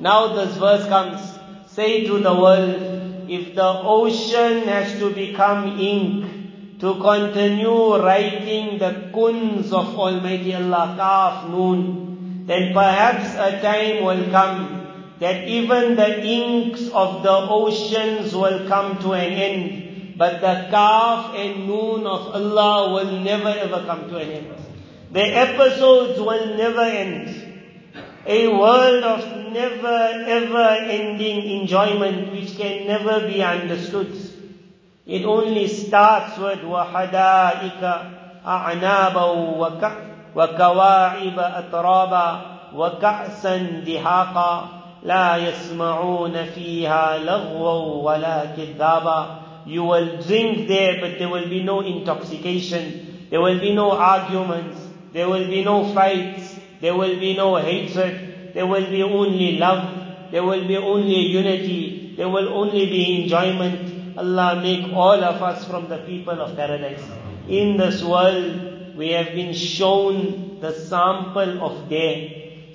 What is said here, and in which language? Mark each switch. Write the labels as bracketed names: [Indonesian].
[English] Now this verse comes. Say to the world, if the ocean has to become ink to continue writing the kuns of Almighty Allah, Kaf, Noon, then perhaps a time will come that even the inks of the oceans will come to an end But the Kaf and Noon of Allah will never ever come to an end. The episodes will never end. A world of never ever ending enjoyment which can never be understood. [Arabic] It only starts with وَحَدَائِكَ أَعْنَابًا وَكَوَاعِبَ أَتْرَابًا وَكَأْسًا دِهَاقًا لَا يَسْمَعُونَ فِيهَا لَغْوًا وَلَا كِذَّابًا. [English] You will drink there, but there will be no intoxication. There will be no arguments. There will be no fights. There will be no hatred. There will be only love. There will be only unity. There will only be enjoyment. Allah make all of us from the people of paradise. In this world, we have been shown the sample of day.